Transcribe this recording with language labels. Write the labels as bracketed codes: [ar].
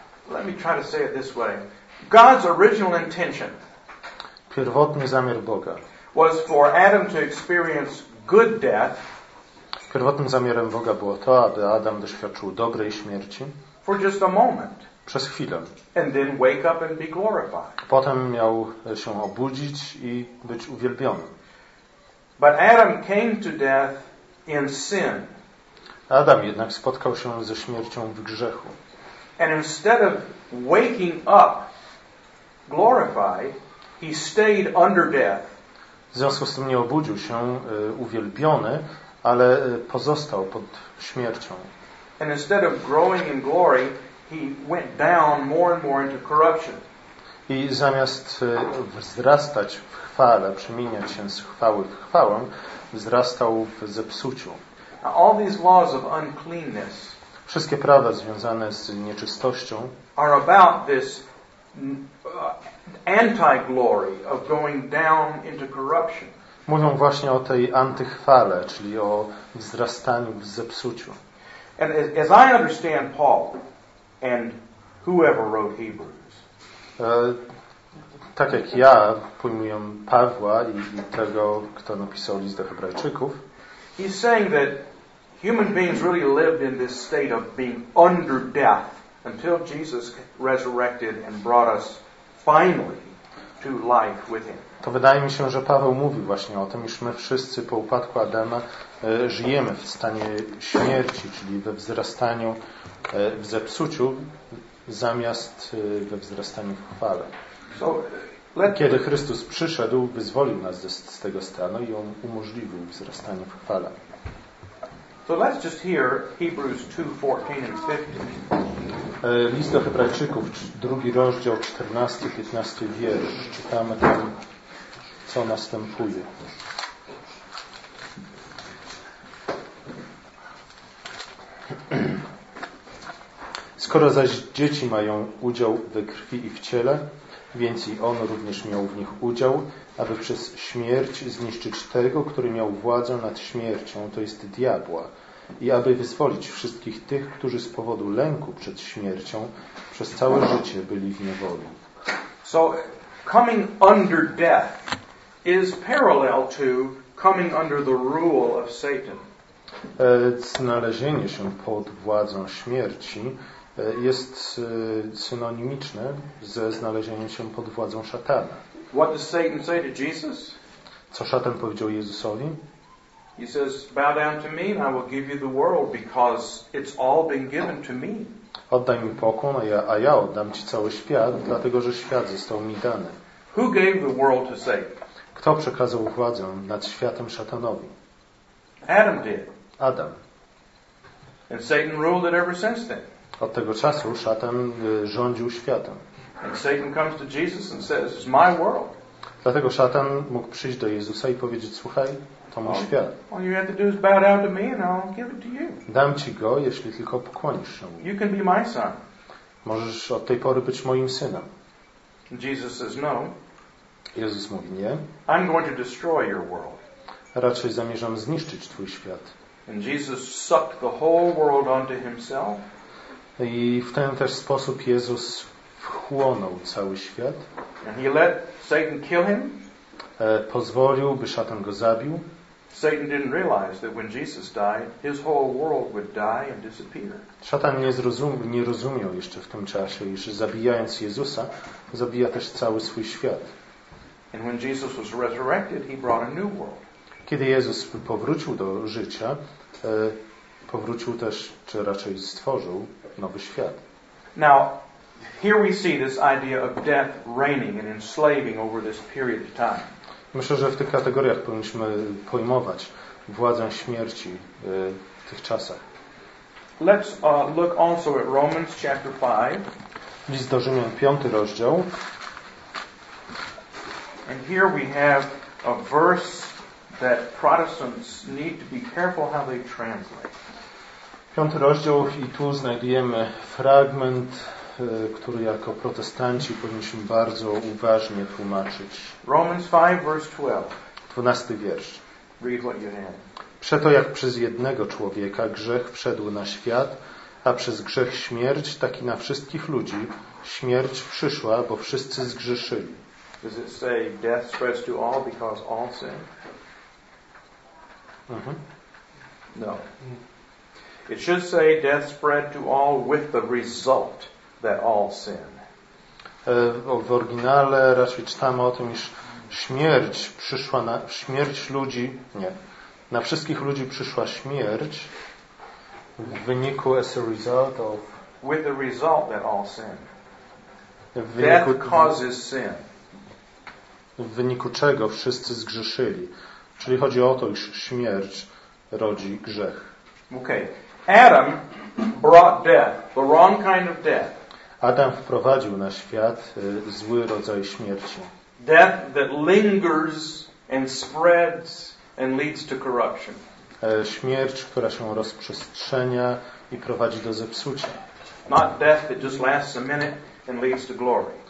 [en] Let me try to say it this way. God's original intention. [pl] Pierwotny zamiar Boga. [en] Was for Adam to experience good death. [pl] Pierwotnym zamiarem Boga było to, aby Adam doświadczył dobrej śmierci. [en] For just a moment. [pl] Przez chwilę. [en] And then wake up and be glorified. [pl] Potem miał się obudzić i być uwielbiony. [en] But Adam came to death in sin. [pl] Adam jednak spotkał się ze śmiercią w grzechu. [en] And instead of waking up glorified, he stayed under death. [pl] W związku z tym nie obudził się uwielbiony, ale pozostał pod śmiercią. [en] And instead of growing in glory, he went down more and more into corruption. [pl] I zamiast wzrastać w chwale, przemieniać się z chwały w chwałę, wzrastał w zepsuciu. [en] Now, all these laws of uncleanness, [pl] wszystkie prawa związane z nieczystością, [en] are about this anti-glory of going down into corruption. [pl] Mówią właśnie o tej antychwale, czyli o wzrastaniu w zepsuciu. [en] And as I understand Paul and whoever wrote Hebrews. [pl] Tak jak ja pojmuję Pawła i tego, kto napisał list do Hebrajczyków. [en] He's saying that human beings really lived in this state of being under death until Jesus resurrected and brought us finally to life with him. [pl] To wydaje mi się, że Paweł mówi właśnie o tym, iż my wszyscy po upadku Adama żyjemy w stanie śmierci, czyli we wzrastaniu w zepsuciu, zamiast we wzrastaniu w chwale. Kiedy Chrystus przyszedł, wyzwolił nas z tego stanu i on umożliwił wzrastanie w chwale. [en] So let's just hear Hebrews 2:14-15. [pl] List do Hebrajczyków, drugi rozdział, 14-15 wiersz. Czytamy tam, co następuje. Skoro zaś dzieci mają udział we krwi i w ciele, więc i on również miał w nich udział, aby przez śmierć zniszczyć tego, który miał władzę nad śmiercią, to jest diabła, i aby wyzwolić wszystkich tych, którzy z powodu lęku przed śmiercią przez całe życie byli w niewoli. [en] So coming under death is parallel to coming under the rule of Satan. [pl] Znalezienie się pod władzą śmierci jest synonimiczne ze znalezieniem się pod władzą szatana. [en] What does Satan say to Jesus? [pl] Co szatan powiedział Jezusowi? [en] He says, "Bow down to me and I will give you the world because it's all been given to me." [pl] Oddaj mi pokłon, a ja oddam ci cały świat, dlatego że świat został mi dany. [en] Who gave the world to Satan? [pl] Kto przekazał władzę nad światem szatanowi? [en] Adam did. [pl] Adam. [en] And Satan ruled it ever since then. [pl] Od tego czasu szatan rządził światem. [en] And Satan comes to Jesus and says, "It's my world." [pl] Dlatego szatan mógł przyjść do Jezusa i powiedzieć: "Słuchaj, to mój świat. [en] All you have to do is bow down to me and I'll give it to you." [pl] Dam ci go, jeśli tylko pokłonisz się. [en] You can be my son. [pl] Możesz od tej pory być moim synem. [en] Jesus says, "No." [pl] Jezus mówi: "Nie." [en] I'm going to destroy your world. [pl] Raczej zamierzam zniszczyć twój świat. [en] And Jesus sucked the whole world onto himself. [pl] I w ten też sposób Jezus wchłonął cały świat. [en] And he let Satan kill him. [pl] Pozwolił, by szatan go zabił. [en] Satan didn't realize that when Jesus died, his whole world would die and disappear. [pl] Szatan nie rozumiał jeszcze w tym czasie, iż zabijając Jezusa, zabija też cały swój świat. [en] And when Jesus was resurrected, he brought a new world. [pl] Kiedy Jezus powrócił do życia, powrócił też, czy raczej stworzył nowy świat. [en] Now, here we see this idea of death reigning and enslaving over this period of time. [pl] Myślę, że w tych kategoriach powinniśmy pojmować władzę śmierci w tych czasach. [en] Let's look also at Romans chapter 5. [pl] List do Rzymian, 5 rozdział. [en] And here we have a verse that Protestants need to be careful how they translate. [pl] 5 rozdział i tu znajdujemy fragment, który jako protestanci powinniśmy bardzo uważnie tłumaczyć. [en] Romans 5, verse 12. [pl] 12 wiersz. [en] Read what you have. [pl] Przeto jak przez jednego człowieka grzech wszedł na świat, a przez grzech śmierć, tak i na wszystkich ludzi śmierć przyszła, bo wszyscy zgrzeszyli. [en] Does it say death spreads to all because all sin? No. It should say death spread to all with the result that all sin. [pl] W oryginale raczej czytamy o tym, iż śmierć przyszła na śmierć ludzi, nie, na wszystkich ludzi przyszła śmierć w wyniku [en] as a result of with the result that all sin. Death causes sin. [pl] W wyniku czego wszyscy zgrzeszyli. Czyli chodzi o to, iż śmierć rodzi grzech. [en] Okay. Adam brought death, the wrong kind of death. [pl] Adam wprowadził na świat zły rodzaj śmierci. [en] Death that lingers and spreads and leads to corruption. [pl] Śmierć, która się rozprzestrzenia i prowadzi do zepsucia. [en] Not death that just lasts a minute and leads to glory.